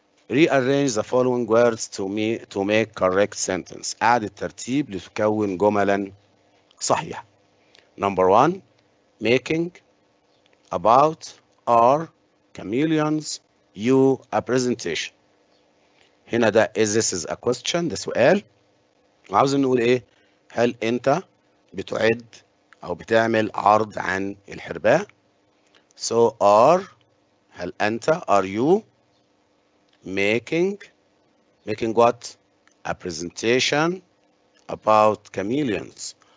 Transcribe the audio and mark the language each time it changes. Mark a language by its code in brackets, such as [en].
[en] Rearrange the following words to make correct sentence. [ar] أعد الترتيب لتكون جملا صحيحة. [en] Number one, making, about, are, chameleons, you, a presentation. [ar] هنا ده [en] this is a question, [ar] ده سؤال. عاوز نقول هل أنت بتعد أو بتعمل عرض عن الحرباء؟ [en] So are, [ar] هل أنت, [en] are you, making making what? A presentation about chameleons.